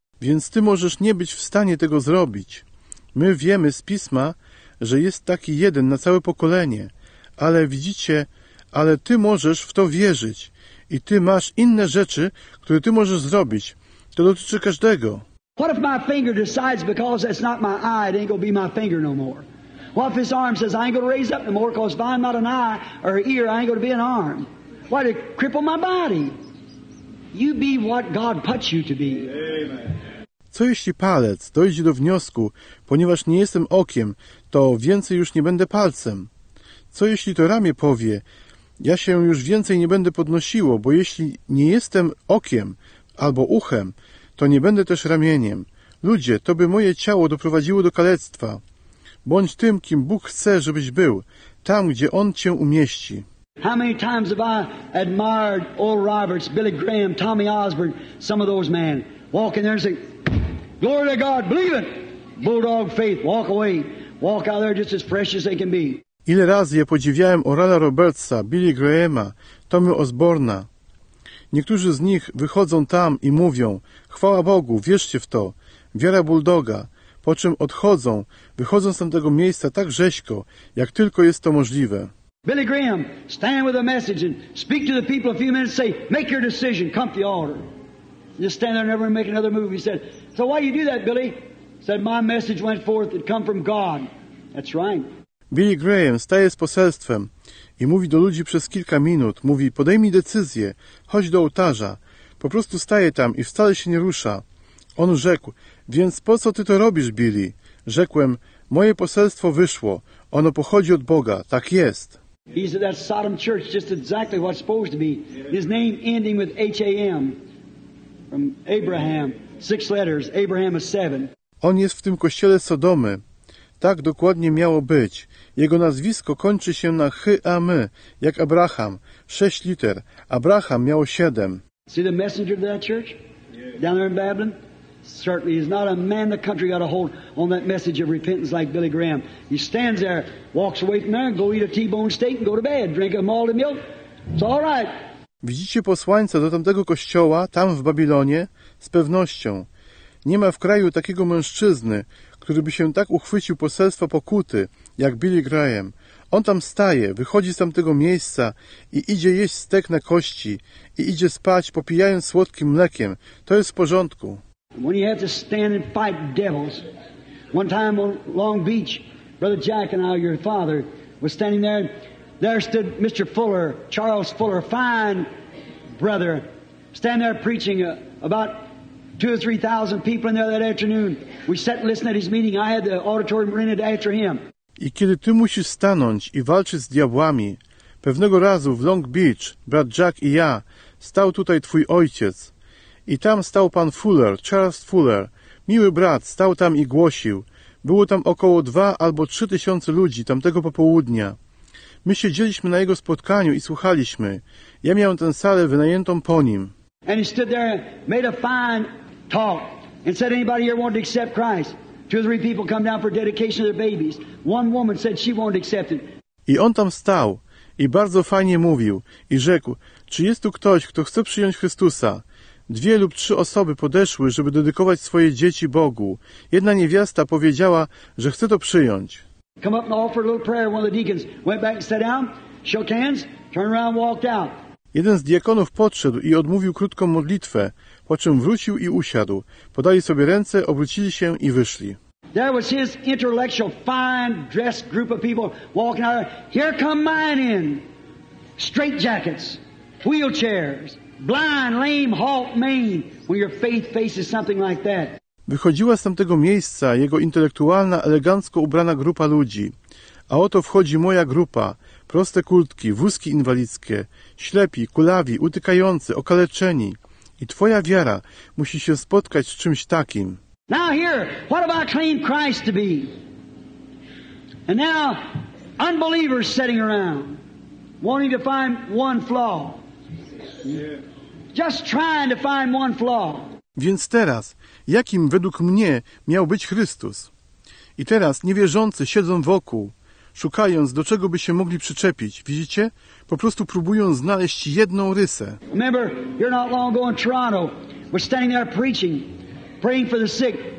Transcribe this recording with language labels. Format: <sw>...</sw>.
<pl>Więc Ty możesz nie być w stanie tego zrobić. My wiemy z Pisma, że jest taki jeden na całe pokolenie, ale widzicie, ale ty możesz w to wierzyć i ty masz inne rzeczy, które ty możesz zrobić. To dotyczy każdego.</pl> <en>What if my finger decides because it's not my eye, it ain't gonna be my finger no more? What if his arm says I ain't gonna raise up no more because if I'm not an eye or an ear, I ain't gonna be an arm? Why did it cripple my body? You be what God puts you to be.</en> <pl>Co jeśli palec dojdzie do wniosku, ponieważ nie jestem okiem, to więcej już nie będę palcem? Co jeśli to ramię powie, ja się już więcej nie będę podnosiło, bo jeśli nie jestem okiem albo uchem, to nie będę też ramieniem. Ludzie, to by moje ciało doprowadziło do kalectwa. Bądź tym, kim Bóg chce, żebyś był, tam, gdzie On cię umieści.</pl> <en>How many times have I admired Oral Roberts, Billy Graham, Tommy Osborne, some of those men, walk in there and say, glory to God, believe it, bulldog faith, walk away, walk out there just as fresh as they can be.</en> <pl>Ile razy ja podziwiałem Orala Robertsa, Billy Grahama, Tommy Osborna. Niektórzy z nich wychodzą tam i mówią, chwała Bogu, wierzcie w to, wiara buldoga, po czym odchodzą, wychodzą z tamtego miejsca tak rzeźko, jak tylko jest to możliwe.</pl> <en>Billy Graham, stand with a message and speak to the people a few minutes, say, make your decision, come to the altar. Just stand there and never make another move. He said, so why you do that, Billy? He said, my message went forth, it come from God. That's right.</en> <pl>Billy Graham staje z poselstwem i mówi do ludzi przez kilka minut, mówi, podejmij decyzję, chodź do ołtarza. Po prostu staje tam i wcale się nie rusza. On rzekł, więc po co ty to robisz, Billy? Rzekłem, moje poselstwo wyszło, ono pochodzi od Boga, tak jest.</pl> <en>He's at that Sodom church, just exactly what it's supposed to be. His name ending with H-A-M, from Abraham, six letters, Abraham is seven.</en> <pl>On jest w tym kościele Sodomy. Tak dokładnie miało być. Jego nazwisko kończy się na H-A-M, jak Abraham, 6 liter. Abraham miał 7.</pl> <en>See the messenger of that church? Down there in Babylon? Certainly, he's not a man the country got a hold on that message of repentance like Billy Graham. He stands there, walks away from there, go eat a T-bone steak and go to bed, drink a malted milk. It's all right.</en> <pl>Widzicie posłańca do tamtego kościoła, tam w Babilonie? Z pewnością. Nie ma w kraju takiego mężczyzny, który by się tak uchwycił poselstwa pokuty, jak Billy Graham. On tam staje, wychodzi z tamtego miejsca i idzie jeść stek na kości i idzie spać, popijając słodkim mlekiem. To jest w porządku.</pl> <en>When he had to stand and fight devils, one time on Long Beach, Brother Jack and I, your father, was standing there. There stood Mr. Fuller, Charles Fuller, fine brother, standing there preaching about 2,000 or 3,000 people in there that afternoon. We sat and listened at his meeting. I had the auditorium rented after him.</en> <pl>I kiedy ty musisz stanąć i walczyć z diabłami, pewnego razu w Long Beach, brat Jack i ja, stał tutaj twój ojciec. I tam stał pan Fuller, Charles Fuller, miły brat, stał tam i głosił. Było tam około 2 albo 3 tysiące ludzi tamtego popołudnia. My siedzieliśmy na jego spotkaniu i słuchaliśmy. Ja miałem tę salę wynajętą po nim.</pl> <en>And he stood there, made a fine talk, and said, anybody here want to accept Christ? 2 or 3 people come down for dedication of their babies. One woman said she wanted to accept it.</en> <pl>I on tam stał i bardzo fajnie mówił i rzekł, czy jest tu ktoś, kto chce przyjąć Chrystusa? 2 lub 3 osoby podeszły, żeby dedykować swoje dzieci Bogu. Jedna niewiasta powiedziała, że chce to przyjąć.</pl> <en>Come up and offer a little prayer. One of the deacons went back and sat down, shook hands, turned around, walked out.</en> <pl>Jeden z diakonów podszedł i odmówił krótką modlitwę, po czym wrócił i usiadł. Podali sobie ręce, obrócili się i wyszli.</pl> <en>There was his intellectual, fine dressed group of people walking out. Here come mine in. Straight jackets, wheelchairs, blind, lame, halt, maimed, when your faith faces something like that.</en> <pl>Wychodziła z tamtego miejsca jego intelektualna, elegancko ubrana grupa ludzi. A oto wchodzi moja grupa. Proste kurtki, wózki inwalidzkie, ślepi, kulawi, utykający, okaleczeni. I twoja wiara musi się spotkać z czymś takim.</pl> <en>Now here, what have I claimed Christ to be? And now, unbelievers sitting around, wanting to find one flaw. Just trying to find one flaw.</en> <pl>Więc teraz, jakim według mnie miał być Chrystus? I teraz niewierzący siedzą wokół, szukając, do czego by się mogli przyczepić. Widzicie? Po prostu próbują znaleźć jedną rysę.</pl> <en>Remember, you're not long ago in Toronto. We're standing there preaching, praying for the sick.</en>